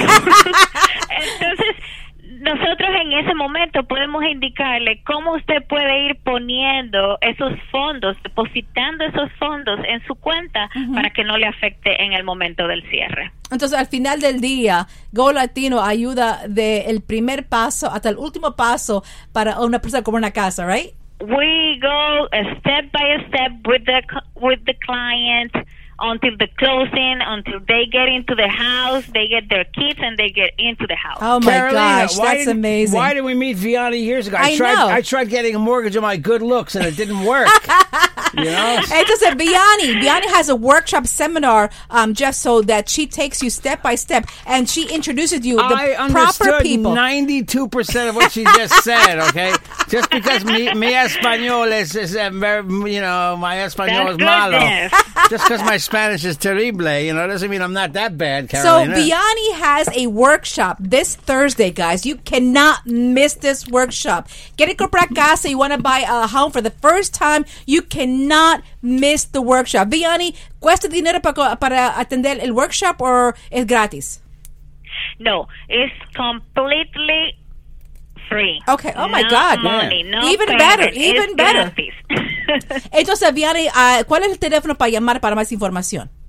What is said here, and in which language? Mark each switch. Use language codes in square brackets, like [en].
[es] Entonces, nosotros en ese momento podemos indicarle cómo usted puede ir poniendo esos fondos, depositando esos fondos en su cuenta para que no le afecte en el momento del cierre. Entonces, al final del día, Go Latino ayuda de el primer paso hasta el último paso para una persona como una casa, right? [en] We go step by step with the client until the closing, until they get into the house, they get their kids, and they get into the house. Oh, my gosh. That's amazing. Why did we meet Vianney years ago? I know. I tried getting a mortgage on my good looks, and it didn't work. You know? It's just Vianney has a workshop seminar, just so that she takes you step by step, and she introduces you the proper people. I understood 92% of what she just said, okay? Just because [es] mi español [en] is my español is malo. Just because my Spanish is terrible, doesn't mean I'm not that bad, Carolina. So Vianney has a workshop this Thursday, guys. You cannot miss this workshop. [es] Quiere comprar casa, [en] you want to buy a home for the first time, you cannot miss the workshop. [es] Vianney, ¿cuesta dinero para atender el workshop or es gratis? [en] No, it's completely free. Okay. Oh my God. Money, yeah. Even better. [es] Entonces, Vianney, ¿cuál es el teléfono para llamar para más información?